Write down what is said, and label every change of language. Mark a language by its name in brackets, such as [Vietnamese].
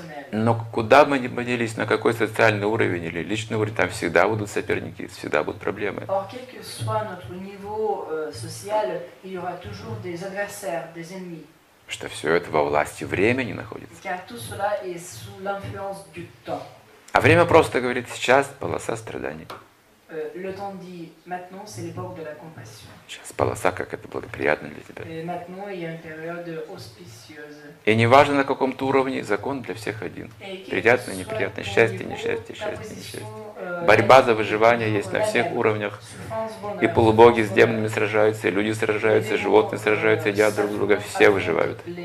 [Russian] Но куда бы мы ни поднялись, на какой социальный уровень или личный уровень, там всегда будут соперники, всегда будут проблемы. [French] Or, quel que soit notre niveau social, il y aura toujours des adversaires, des ennemis. [Russian] Что все это во власти времени находится. [French] Car tout cela est sous l'influence du temps. [Russian] А время просто говорит, сейчас полоса страданий. [French] Le temps dit maintenant, c'est l'époque de la compassion. [Russian] Сейчас полоса, как это благоприятно для тебя. [French] Et maintenant, il y a une période auspicieuse. [Russian] И неважно на каком-то уровне, закон для всех один. Приятно, неприятно, счастье, несчастье, счастье, несчастье. Борьба за выживание есть на всех уровнях. И полубоги с демонами сражаются, и люди сражаются, и животные сражаются, едят друг друга, все выживают.